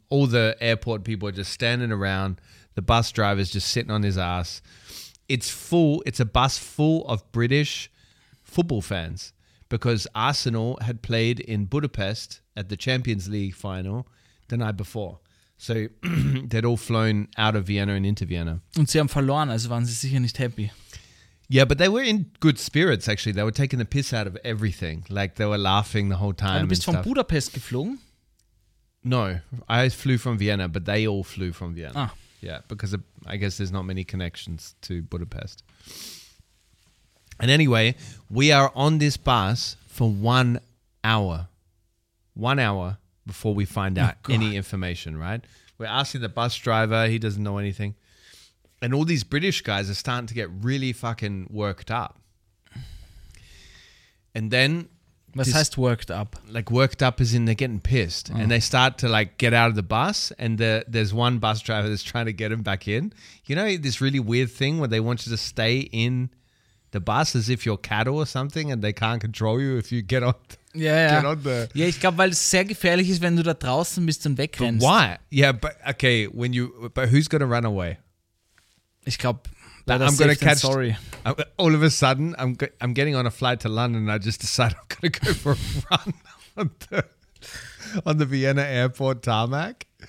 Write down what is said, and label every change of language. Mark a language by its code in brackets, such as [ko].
[en] All the airport people are just standing around. The bus driver's just sitting on his ass. It's full. It's a bus full of British football fans because Arsenal had played in Budapest at the Champions League final the night before. So they'd all flown out of Vienna and into Vienna. [de] Und sie haben verloren, also waren sie sicher nicht happy. [en] Yeah, but they were in good spirits, actually. They were taking the piss out of everything. Like, they were laughing the whole time. [de] Aber du bist von Budapest geflogen? [en] No, I flew from Vienna, but they all flew from Vienna. Ah. Yeah, because I guess there's not many connections to Budapest. And anyway, we are on this bus for 1 hour. 1 hour before we find out any information, right? We're asking the bus driver. He doesn't know anything. And all these British guys are starting to get really fucking worked up. And then... [de] Was heißt [en] worked up? Like worked up as in they're getting pissed. Oh. And they start to like get out of the bus. And there's one bus driver that's trying to get him back in. You know this really weird thing where they want you to stay in the bus as if you're cattle or something and they can't control you if you get on... [de] Yeah, ich glaube, weil es sehr gefährlich ist, wenn du da draußen bist und wegrennst. [en] But why? Yeah, but okay, when you, but who's gonna run away? [de] Ich glaube, [en] like, I'm gonna catch. Sorry. All of a sudden, I'm getting on a flight to London and I just decide I'm gonna go for a run on the Vienna Airport tarmac.